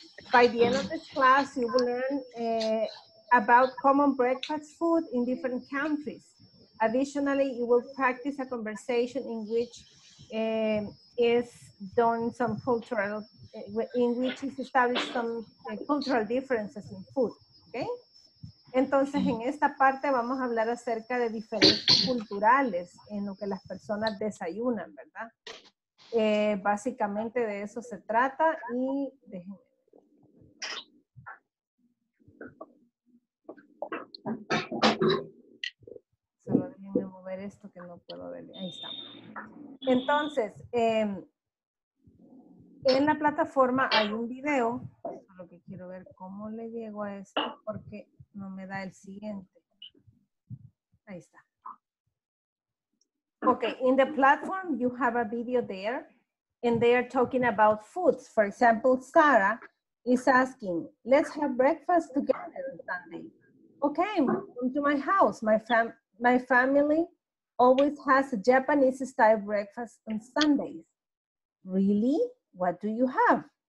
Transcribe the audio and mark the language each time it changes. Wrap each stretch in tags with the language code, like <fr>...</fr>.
<en>By the end of this class, you will learn about common breakfast food in different countries. Additionally, you will practice a conversation in which is done some cultural, in which is established some cultural differences in food. Okay?</en> <es>Entonces, en esta parte vamos a hablar acerca de diferencias culturales en lo que las personas desayunan, ¿verdad? Básicamente de eso se trata y déjenme. Solo déjenme mover esto que no puedo ver. Ahí está. Entonces, en la plataforma hay un video. Solo que quiero ver cómo le llego a esto porque no me da el siguiente. Ahí está.</es> <en>Okay, in the platform you have a video there and they are talking about foods. For example, Sarah is asking, let's have breakfast together Sunday. Okay, come to my house. My family always has a Japanese style breakfast on Sundays. Really? What do you have?</en>